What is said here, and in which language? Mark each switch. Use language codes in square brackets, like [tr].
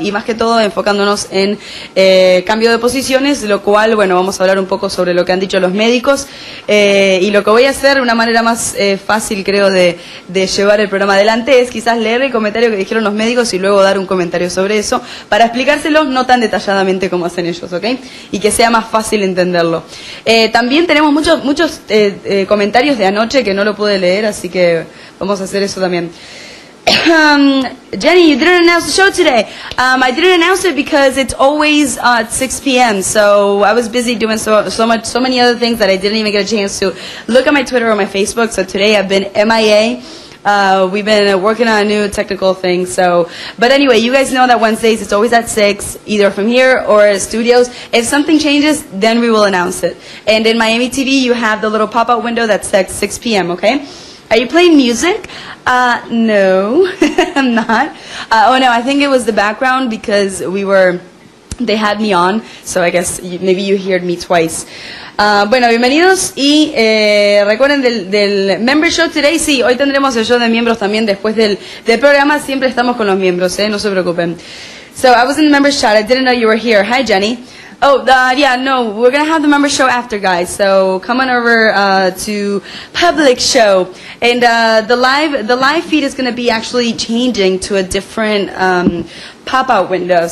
[es] Y más que todo enfocándonos en cambio de posiciones, lo cual, bueno, vamos a hablar un poco sobre lo que han dicho los médicos, y lo que voy a hacer, una manera más fácil, creo, de llevar el programa adelante, es quizás leer el comentario que dijeron los médicos y luego dar un comentario sobre eso, para explicárselo no tan detalladamente como hacen ellos, ¿ok? Y que sea más fácil entenderlo. También tenemos muchos comentarios de anoche que no lo pude leer, así que vamos a hacer eso también. [en] Jenny, you didn't announce the show today. I didn't announce it because it's always at 6 p.m. So I was busy doing so many other things that I didn't even get a chance to look at my Twitter or my Facebook. So today I've been MIA. We've been working on a new technical thing. So, but anyway, you guys know that Wednesdays it's always at 6, either from here or studios. If something changes, then we will announce it. And in Miami TV, you have the little pop-out window that says 6 p.m., okay? Are you playing music? No, I'm not. Oh no, I think it was the background because they had me on, so I guess maybe you heard me twice. [es] Bueno, bienvenidos y recuerden del [en] member show today. [es] Sí, hoy tendremos el show de miembros también después del programa. Siempre estamos con los miembros, no se preocupen. [en] So I was in the member chat. I didn't know you were here. Hi, Jenny. Oh, yeah, no, we're going to have the member show after, guys, so come on over to public show. And the live feed is going to be actually changing to a different pop-out window.